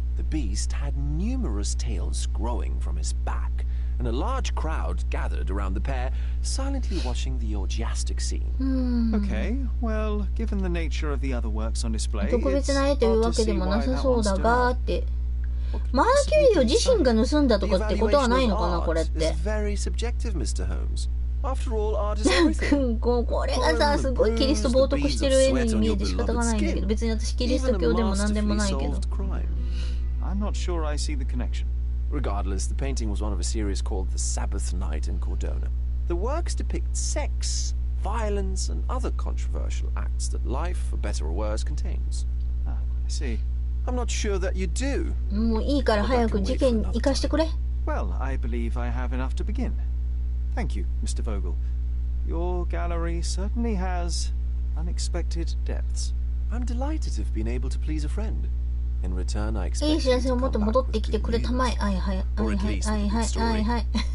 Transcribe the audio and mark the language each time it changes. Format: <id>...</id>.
<en>The beast had numerous tails growing from his back, and a large crowd gathered around the pair, silently watching the orgiastic scene. Okay, well, given the nature of the other works on display,</en> <ja>特別な絵というわけでもなさそうだがって、マーキュリオ自身が盗んだとかってことはないのかな、これって。</ja> <en>Very subjective, Mr. Holmes.</en> <ja>これがさ、すごいキリスト冒涜してる絵に見えて仕方がないんだけど、別に私キリスト教でも何でもないけど。</ja> <en>I'm not sure I see the connection. Regardless, the painting was one of a series called The Sabbath Night in Cordona. The works depict sex, violence, and other controversial acts that life, for better or worse, contains. Ah, I see. I'm not sure that you do.</en> <ja>もういいから早く事件に行かしてくれ。</ja> <en>Well, I believe I have enough to begin. Thank you, Mr. Vogel. Your gallery certainly has unexpected depths. I'm delighted to have been able to please a friend. In return, I expect</en> <ja>いい知らせをもっと戻ってきてくれたまえ。はいはいはいはいはいはいはい。</ja>